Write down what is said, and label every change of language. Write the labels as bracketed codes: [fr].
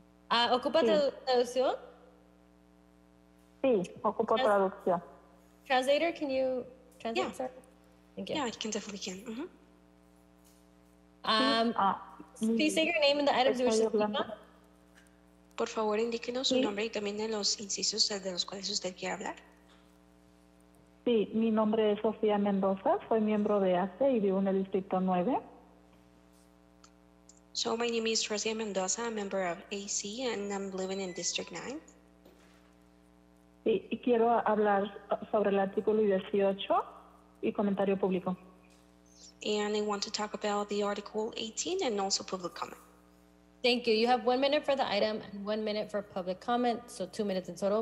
[es] Ocupa traducción? Sí, ocupa traducción. [en] Translator, can you translate, sir? Thank you. Yeah, I can definitely can. Please state your name and the items you wish to speak on. [es] Por favor, indíquenos su nombre y también de los incisos de los cuales usted quiere hablar. Sí, mi nombre es Sofía Mendoza, soy miembro de ACE y vivo en el Distrito 9. [en] So, my name is Rosia Mendoza, a member of AC, and I'm living in District 9. [es] Sí, y quiero hablar sobre el artículo 18 y comentario público. [en] And I want to talk about the article 18 and also public comment. Thank you. You have 1 minute for the item and 1 minute for public comment, so 2 minutes in total.